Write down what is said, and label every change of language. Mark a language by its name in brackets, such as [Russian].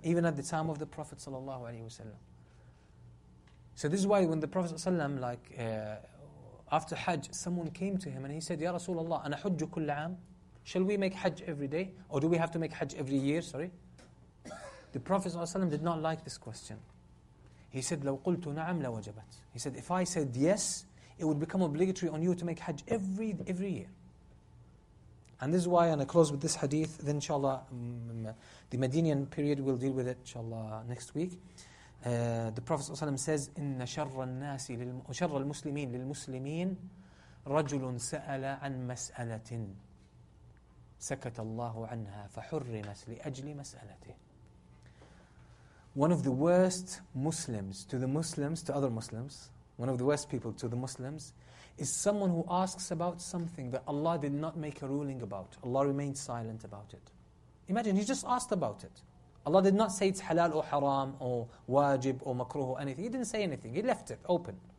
[English] Even at the time of the Prophet sallallahu alaihi wasallam. So this is why when the Prophet sallallahu alaihi wasallam, after Hajj, someone came to him and he said, Ya Rasulullah, [Arabic] ana hujju kull aam. [English] Shall we make Hajj every day? Or do we have to make Hajj every year? Sorry. The Prophet ﷺ did not like this question. He said, [Arabic] لَوْ قُلْتُ نَعَمْ لَوَجَبَتْ. [English] He said, if I said yes, it would become obligatory on you to make Hajj every year. And this is why, and I close with this hadith, then inshallah, the Medinian period, we'll deal with it inshallah next week. The Prophet ﷺ says, [Arabic] إِنَّ شَرَّ الْمُسْلِمِينَ لِلْمُسْلِمِينَ رَجُلٌ سَأَلَ عَنْ مَسْأَلَةٍ سَكَتَ اللَّهُ عَنْهَا فَحُرِّمَتْ لِأَجْلِ مَسْأَلَتِهِ. [English] One of the worst Muslims to the Muslims, to other Muslims, one of the worst people to the Muslims, is someone who asks about something that Allah did not make a ruling about. Allah remained silent about it. Imagine, he just asked about it. Allah did not say it's halal or haram or wajib or makruh or anything. He didn't say anything. He left it open.